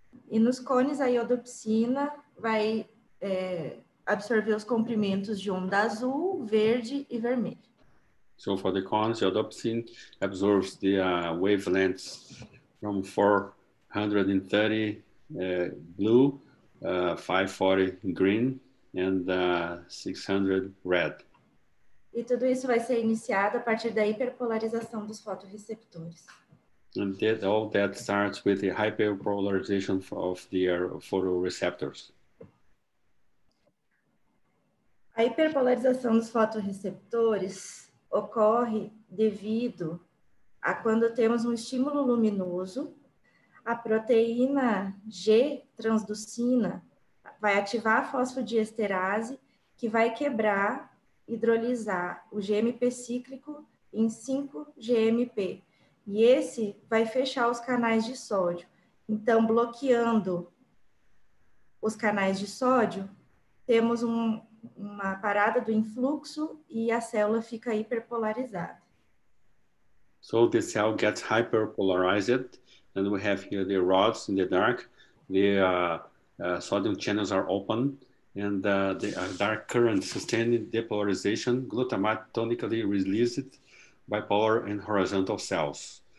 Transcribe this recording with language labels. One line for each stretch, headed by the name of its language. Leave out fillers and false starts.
Portuguese: E nos cones, a iodopsina vai absorver os comprimentos de onda azul, verde e vermelho.
English: So for the cones, iodopsin absorbs the wavelengths from 430 blue, 540 green, and 600 red.
Portuguese: E tudo isso vai ser iniciado a partir da hiperpolarização dos fotoreceptores.
English: And that, all that starts with the hyperpolarization of the photoreceptors.
Portuguese: A hiperpolarização dos fotoreceptores ocorre devido a quando temos um estímulo luminoso, a proteína G transducina vai ativar a fosfodiesterase, que vai quebrar, hidrolisar o GMP cíclico em 5-GMP. E esse vai fechar os canais de sódio. Então, bloqueando os canais de sódio, temos uma parada do influxo e a célula fica hiperpolarizada.
English: So the cell gets hyperpolarized, and we have here the rods in the dark. The sodium channels are open, and the dark current sustaining depolarization glutamate tonically released bipolar and horizontal cells.